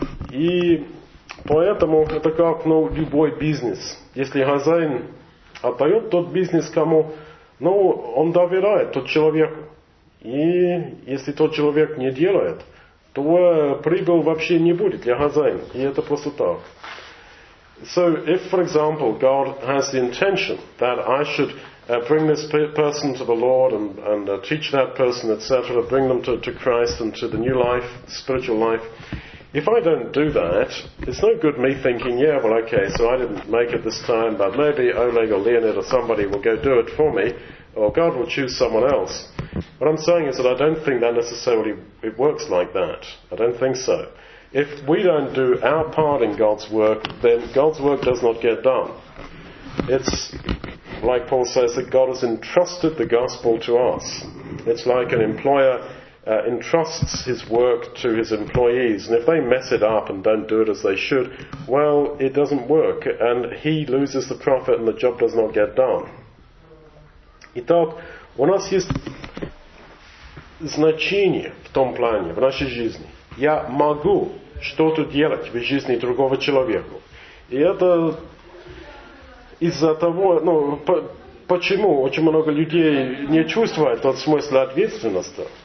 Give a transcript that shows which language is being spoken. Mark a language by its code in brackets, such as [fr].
[ru] И поэтому это как любой бизнес. Если хозяин отдает тот бизнес кому, он доверяет тот человеку. И если тот человек не делает, то прибыль вообще не будет для хозяина. И это просто так. [en] So if, for example, God has the intention that I should bring this person to the Lord and teach that person, etc., bring them to Christ and to the new life, spiritual life, if I don't do that, it's no good me thinking, yeah, well, okay, so I didn't make it this time, but maybe Oleg or Leonid or somebody will go do it for me, or God will choose someone else. What I'm saying is that I don't think that necessarily it works like that. I don't think so. If we don't do our part in God's work, then God's work does not get done. It's like Paul says that God has entrusted the gospel to us. It's like an employer entrusts his work to his employees, and if they mess it up and don't do it as they should, well, it doesn't work, and he loses the profit and the job does not get done. [ru] Итак, у нас есть значение в том плане, в нашей жизни. Я могу что-то делать в жизни другого человека. И это из-за того, почему очень много людей не чувствует от смысла ответственности?